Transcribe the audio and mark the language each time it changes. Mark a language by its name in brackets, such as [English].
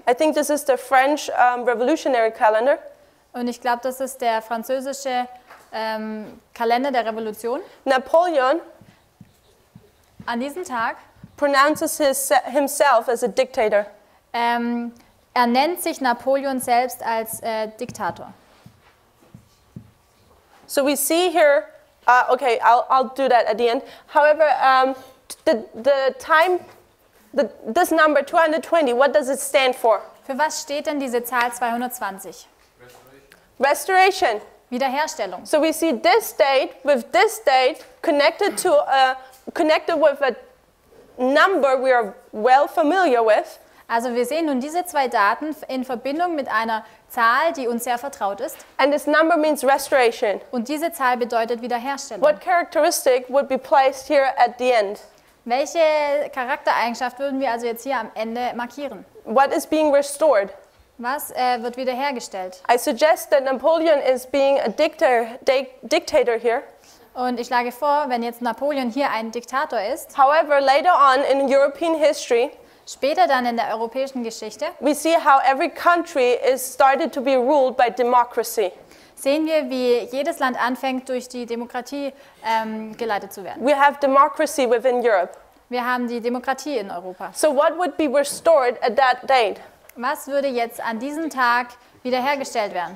[English] I think this is the French revolutionary calendar, [German] und ich glaube, das ist der französische Kalender der Revolution, [English] Napoleon, [German] an diesem Tag, [English] pronounces himself as a dictator. [German] Er nennt sich Napoleon selbst als Diktator. [English] So we see here Okay, I'll do that at the end. However, this number 220, what does it stand for? [German] Für was steht denn diese Zahl 220? [English] Restoration. [German] Wiederherstellung. [English] So we see this date with this date connected to connected with a number we are well familiar with. [German] Also wir sehen nun diese zwei Daten in Verbindung mit einer Zahl, die uns sehr vertraut ist. [English] And this number means restoration. [German] Und diese Zahl bedeutet Wiederherstellung. [English] What characteristic would be placed here at the end? [German] Welche Charaktereigenschaft würden wir also jetzt hier am Ende markieren? [English] What is being restored? [German] Was wird wiederhergestellt? [English] I suggest that Napoleon is being a dictator here. [German] Und ich schlage vor, wenn jetzt Napoleon hier ein Diktator ist. [English] However, later on in European history, [German] später dann in der europäischen Geschichte, [English] we see how every country is started to be ruled by democracy. [German] Sehen wir, wie jedes Land anfängt, durch die Demokratie geleitet zu werden. [English] We have democracy within Europe. [German] Wir haben die Demokratie in Europa. [English] So what would be restored at that date? [German] Was würde jetzt an diesem Tag wiederhergestellt werden?